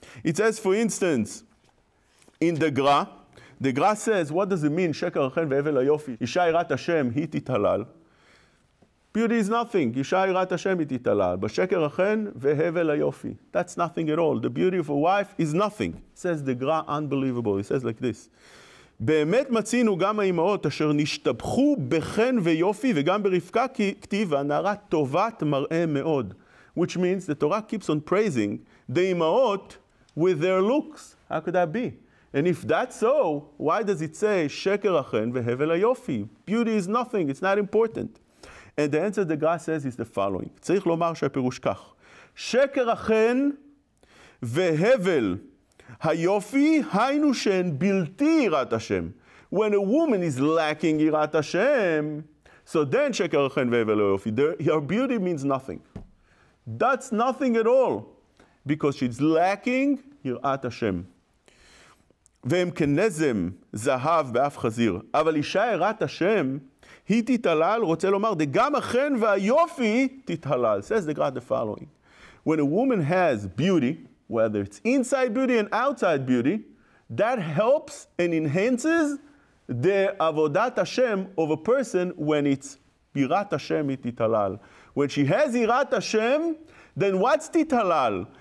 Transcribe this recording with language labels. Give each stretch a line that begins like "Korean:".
English: It says, for instance, in the Gra says, what does it mean?
Hebrew: Sheker achen ve'evel ayofi. Isha irat Hashem, hi titalal.
English: Beauty is nothing.
Hebrew: Isha irat Hashem, hi titalal. But sheker achen ve'evel ayofi.
English: That's nothing at all. The beauty of a wife is nothing. Says the Gra, unbelievable. It says like this.
Hebrew: באמת מצינו גם האימהות אשר נשתבחו בחן ויופי וגם ברפקה כתיבה נערה טובת מראה מאוד.
English: Which means the Torah keeps on praising the אימהות with their looks. How could that be? And if that's so, why does it say
Hebrew: שקר אכן והבל היופי?
English: Beauty is nothing, it's not important. And the answer the God says is the following.
Hebrew: צריך לומר שהפירוש כך. שקר אכן והבל היופי היינו שהן בלתי יראת השם.
English: When a woman is lacking יראת השם, so then
Hebrew: שקר אכן והבל היופי.
English: Her beauty means nothing. That's nothing at all, because she's lacking יראת השם.
Hebrew: והם כנזם זהב באף חזיר. אבל אישה יראת השם, היא תתהלל, רוצה לומר, גם אכן והיופי תתהלל.
English: Says the God the following. When a woman has beauty, whether it's inside beauty and outside beauty, that helps and enhances the avodat Hashem of a person when it's
Hebrew: yirat Hashem ititalal.
English: When she has yirat Hashem, then what's titalal?